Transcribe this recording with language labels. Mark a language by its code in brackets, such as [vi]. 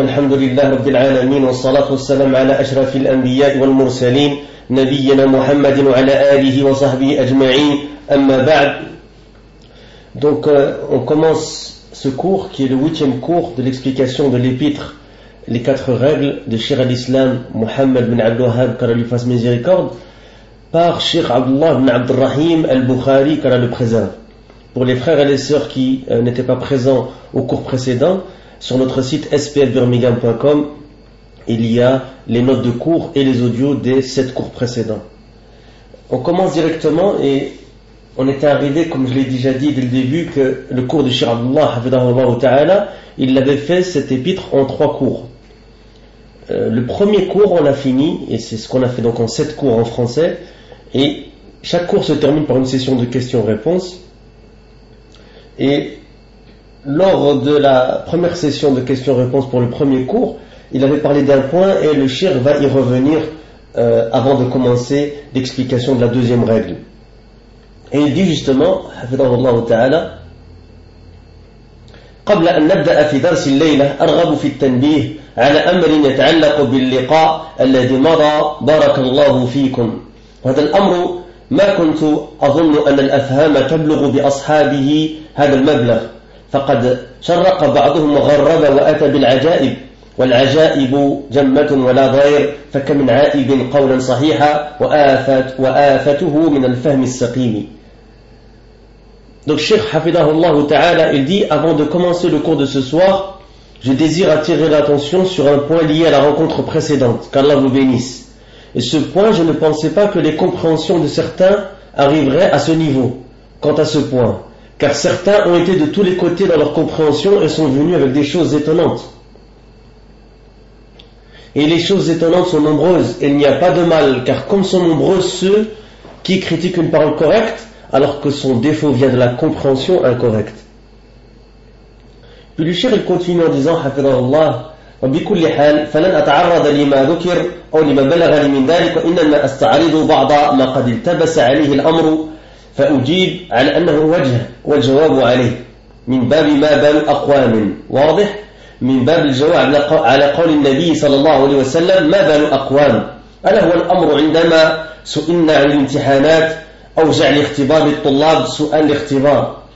[ar] الحمد لله رب العالمين، والصلاة والسلام على أشرف الأنبياء والمرسلين نبينا محمد وعلى آله وصحبه أجمعين، أما بعد. [fr] Donc on commence ce cours qui est le 8e cours de l'explication de l'épître Les quatre règles de Cheikh al-Islam Mohammed bin Abdel Wahhab, car lui fasse miséricorde, par Cheikh Abdullah bin Abdel Rahim al-Bukhari, car le présent. Pour les frères et les sœurs qui n'étaient pas présents au cours précédent, sur notre site spfbirmingham.com, il y a les notes de cours et les audios des 7 cours précédents. On commence directement et on était arrivé, comme je l'ai déjà dit dès le début, que le cours de Cheikh Abdullah, hafidhahullah ta'ala, il l'avait fait, cet épître, en 3 cours. Le premier cours, on l'a fini, et c'est ce qu'on a fait donc en 7 cours en français, et chaque cours se termine par une session de questions-réponses. Et lors de la première session de questions-réponses pour le premier cours, il avait parlé d'un point et le Cheikh va y revenir avant de commencer l'explication de la deuxième règle. Et il dit justement, [ar] حفظه الله تعالى, قبل أن نبدأ في درس الليلة أرغب في التنبيه على أمر يتعلق باللقاء الذي مضى بارك الله فيكم. هذا الأمر ما كنت أظن أن الأفهام تبلغ بأصحابه هذا المبلغ، فقد شرق بعضهم وغرب وأتى بالعجائب، والعجائب جمة ولا ضير، فكم عائب قولا صحيحا وآفته من الفهم السقيم. [fr] Donc Cheikh Hafidhahullah Ta'ala, il dit, avant de commencer le cours de ce soir, je désire attirer l'attention sur un point lié à la rencontre précédente, qu'Allah vous bénisse. Et ce point, je ne pensais pas que les compréhensions de certains arriveraient à ce niveau, quant à ce point. Car certains ont été de tous les côtés dans leur compréhension et sont venus avec des choses étonnantes. Et les choses étonnantes sont nombreuses, et il n'y a pas de mal, car comme sont nombreux ceux qui critiquent une parole correcte, alors que son défaut vient de la compréhension incorrecte. Puis le Cheikh continue en disant, [ar] Hafidhahullah, وبكل حال فلن أتعرض لما ذكر أو لما بلغ لي من ذلك، وإنما أستعرض بعض ما قد التبس عليه الأمر فأجيب على أنه وجه والجواب عليه من باب ما بال أقوام، واضح؟ من باب الجواب على قول النبي صلى الله عليه وسلم ما بال أقوام، ألا هو الأمر عندما سئلنا عن الامتحانات أو جعل اختبار الطلاب سؤال الاختبار.